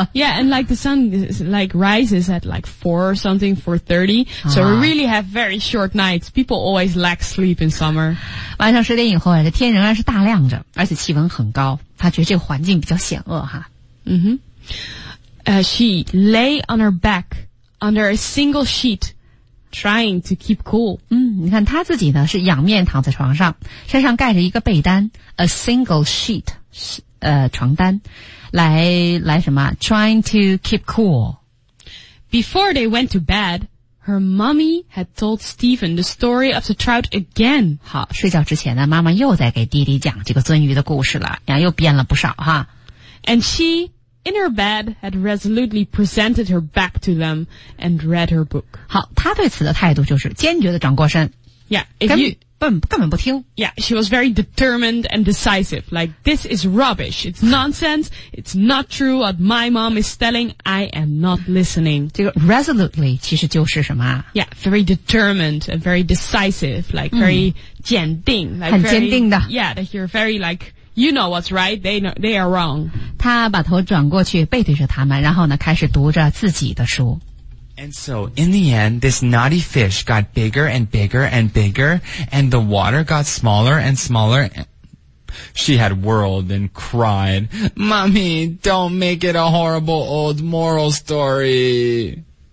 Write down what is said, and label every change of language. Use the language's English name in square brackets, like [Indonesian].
[English] Yeah, and like the sun is, like rises at like 4 or something, 4:30. So we really have very short nights. People always lack sleep in summer. [Chinese] 晚上十点以后，这天仍然是大亮着，而且气温很高。他觉得这个环境比较险恶哈。 [English] Mm-hmm. She lay on her back under a single sheet. Trying to keep cool. [Chinese] 嗯，你看他自己呢是仰面躺在床上，身上盖着一个被单 ， [English] a single sheet， [Chinese] 床单，来什么 ？ [English] Trying to keep cool. Before they went to bed, her mommy had told Stephen the story of the trout again. [Chinese] 好，睡觉之前呢，妈妈又在给弟弟讲这个鳟鱼的故事了，然后又编了不少哈。 [English] And she, in her bed, had resolutely presented her back to them and read her book. [Chinese] 好，他对此的态度就是坚决地转过身。 [English] Yeah, if you, [Chinese] 根本不听。 [English] Yeah, she was very determined and decisive. Like, this is rubbish. It's nonsense. It's not true what my mom is telling. I am not listening. [Chinese] 这个 resolutely 其实就是什么？ [English] Yeah, very determined and very decisive. Like, very [Chinese] 坚定。 [English] Like、 [Chinese] 很坚定的。 [English] Very, yeah, that you're very like, you know what's right. They are wrong. [Chinese] 他把头转过去背对着他们，然后呢开始读着自己的书。 [English] And so, in the end, this naughty fish got bigger and bigger and bigger, and the water got smaller and smaller. She had whirled and cried, Mommy, don't make it a horrible old moral story.